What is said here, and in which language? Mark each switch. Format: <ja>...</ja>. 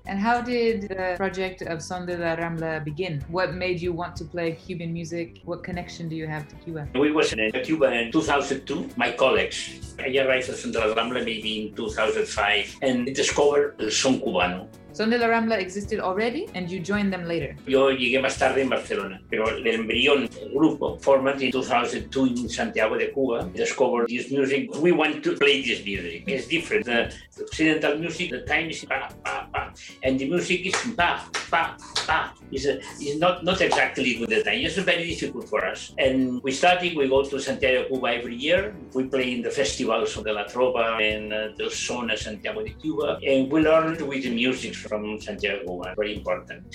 <en>And how did the project of Son de la Rambla begin? What made you want to play Cuban music? What connection do you have to Cuba? We was in Cuba in 2002. My colleagues. I arrived at Son de la Rambla maybe in 2005 and discovered el son cubano. Son de la Rambla existed already, and you joined them later.</en> <es>Yo llegué más tarde en Barcelona, pero el embrión del grupo formed in 2002 in Santiago de Cuba.</es> <en>Discovered this music. We want to play this music. It's different. The occidental music, the time is pa pa pa, and the music is pa pa pa. It's not exactly with the time. It's very difficult for us. And we study. We go to Santiago de Cuba every year. We play in the festivals of the La Trova and the Son of Santiago de Cuba, and we learn with the music from Santiago Cuba, very important.</en>